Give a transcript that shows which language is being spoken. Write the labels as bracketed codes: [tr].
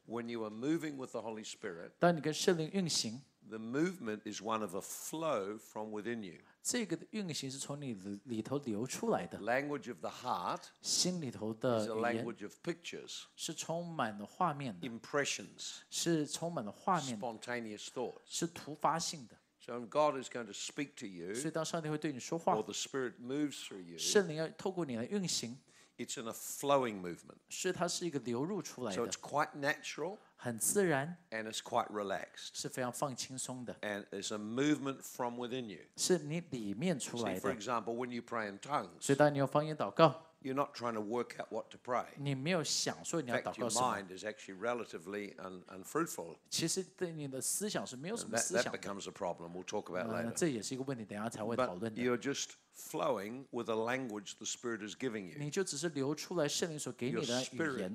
[en] when you are moving with the Holy Spirit, [zh] 当你跟圣灵运行 [en] The movement is one of a flow from within you. [zh] 这个运行是从你里头流出来的。 [en] Language of the heart, [zh] 心里头的语言 [en] is a language of pictures, [zh] 是充满了画面的。 [en] Impressions, [zh] 是充满了画面的。 [en] Spontaneous thoughts, [zh] 是突发性的。 [en] So when God is going to speak to you, [zh] 所以当上帝会对你说话 [en] or the Spirit moves through you, [zh] 圣灵要透过你来运行 [en] it's in a flowing movement. [zh] 是它是一个流入出来的。 [en] So it's quite natural. [zh] 很自然 [en] and it's quite relaxed. [zh] 是非常放轻松的 [en] and it's a movement from within you. [zh] 是你里面出来的 [en] See, for example, when you pray in tongues, [zh] 所以当你用方言祷告 [en] you're not trying to work out what to pray. [zh] 你没有想说你要祷告什么 [en] In fact, your mind is actually relatively unfruitful. [zh] 其实对你的思想是没有什么思想的 [en] that becomes a problem. We'll talk about it later. [zh] 这也是一个问题，等一下才会讨论的 [en] But you're just flowing with the language the Spirit is giving you. [zh] 你就只是流出来圣灵所给你的语言